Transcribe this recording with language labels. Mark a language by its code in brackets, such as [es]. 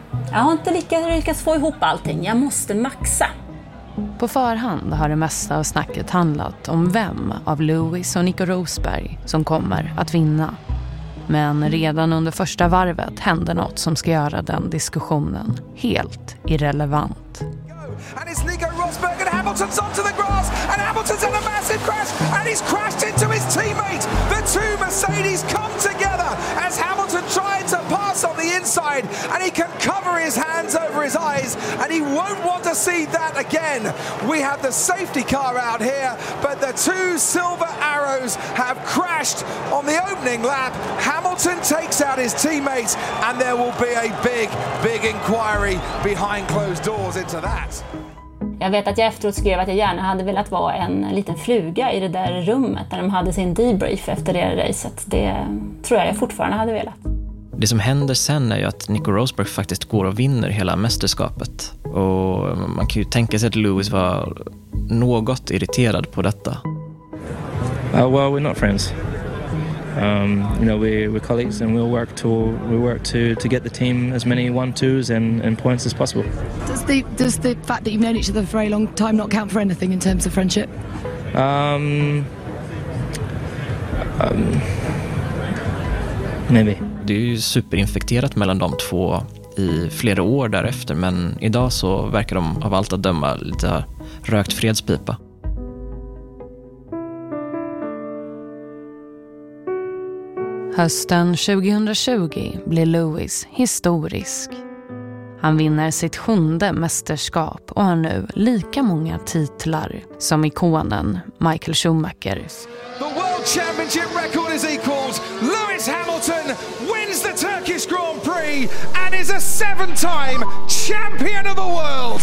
[sv] Jag har inte lyckats få ihop allting, jag måste maxa. På förhand har det mesta av snacket handlat om vem av Lewis och Nico Rosberg som kommer att vinna. Men redan under första varvet hände något som ska göra den diskussionen helt irrelevant. [en] And it's Nico Rosberg and Hamilton's onto the grass and Hamilton's in a massive crash and he's crashed into his teammate. The two Mercedes come together as Hamilton tried to pass on the inside and he can cover his hands over his eyes and he won't want to see that again. We have the safety car out here but the two silver arrows have crashed on the opening lap. Hamilton takes out his teammate and there will be a big, big inquiry behind closed doors into that. [sv] Jag vet att jag efteråt skrev att jag gärna hade velat vara en liten fluga i det där rummet där de hade sin debrief efter det racet. Det tror jag fortfarande hade velat. Det som händer sen är ju att Nico Rosberg faktiskt går och vinner hela mästerskapet. Och man kan ju tänka sig att Lewis var något irriterad på detta. [en] Well, we're not friends. You know, we're colleagues and we work to get the team as many 1-2s and points as possible. Does the fact that you've known each other for a very long time not count for anything in terms of friendship? Maybe. [sv] Det är ju superinfekterat mellan de två i flera år därefter, men idag så verkar de av allt att döma lite rökt fredspipa. Hösten 2020 blir Lewis historisk. Han vinner sitt sjunde mästerskap och har nu lika många titlar som ikonen Michael Schumacher. [en] The world championship record is equaled. Lewis Hamilton wins the Turkish Grand Prix and is a seven-time champion of the world.